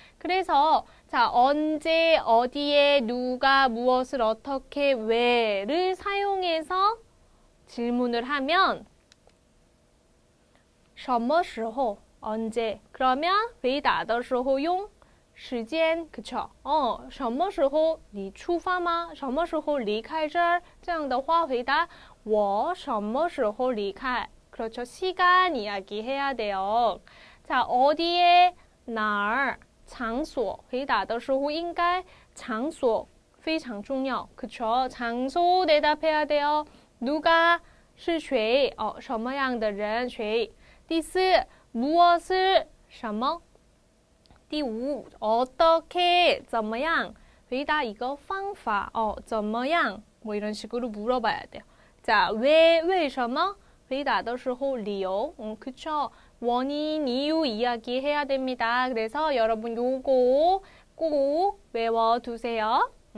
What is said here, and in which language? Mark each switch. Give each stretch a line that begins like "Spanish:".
Korean: 그래서 자, 언제, 어디에, 누가, 무엇을, 어떻게, 왜를 사용해서 질문을 하면 什么时候, 언제, 그러면
Chinese: 回答的时候用
Korean: 시간, 그쵸?
Chinese: 什么时候你出发吗?什么时候离开这儿? 这样的话回答我什么时候离开?
Korean: 그렇죠, 시간 이야기해야 돼요. 자, 어디에, 哪儿?
Chinese: 장소, 回答的时候应该 장소, 非常重要, 그쵸?
Korean: 장소 대답해야 돼요.
Chinese: 누가, 是谁, 什么样的人, 谁? 第四, 무엇을, 什么? 第五, 어떻게, 怎么样? 回答一个方法, 怎么样?
Korean: 뭐 이런 식으로 물어봐야 돼요.
Chinese: 자, 왜什么? 回答的时候理由, 그쵸?
Korean: 원인, 이유 이야기해야 됩니다. 그래서 여러분 요거 꼭 외워두세요.